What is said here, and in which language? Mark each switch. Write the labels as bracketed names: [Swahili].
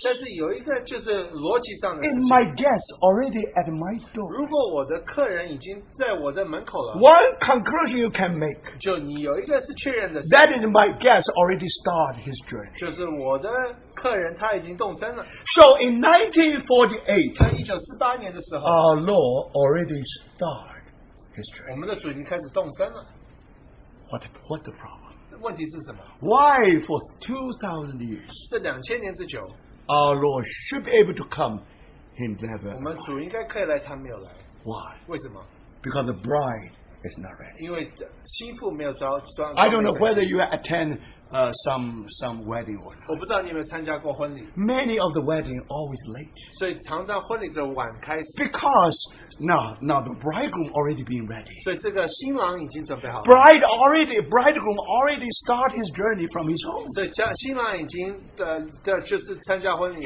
[Chinese] 但是有一个就是逻辑上的事情, [English] in my guest already at my door, [Chinese] 如果我的客人已经在我的门口了, [English] one conclusion you can make, [Chinese] 就你有一个是确认的事情, [English] that is my guest already start his journey, [Chinese] 就是我的客人他已经动身了, [English] so in 1948 our Lord already start his journey, [Chinese] 我们的主已经开始动身了, [English] what the problem? [Chinese] 问题是什么? [English] Why for 2,000 years [Chinese] 这2000年之久, [English] our Lord should be able to come, he never arrived. [Chinese] 我们主应该可以来, 他没有来。 [English] Why? [Chinese] 为什么? [English] Because the bride is not ready. [Chinese] 因为新妇没有装, [English] I don't know whether you attend some wedding or not. [Chinese] 我不知道你有没有参加过婚礼。 [English] Many of the weddings are always late. [Chinese] 所以常常婚礼就晚开始。 [English] Because now the bridegroom already being ready. [Chinese] 所以这个新郎已经准备好了。 [English] Bridegroom already start his journey from his home. [Chinese] 所以新郎已经就是参加婚礼。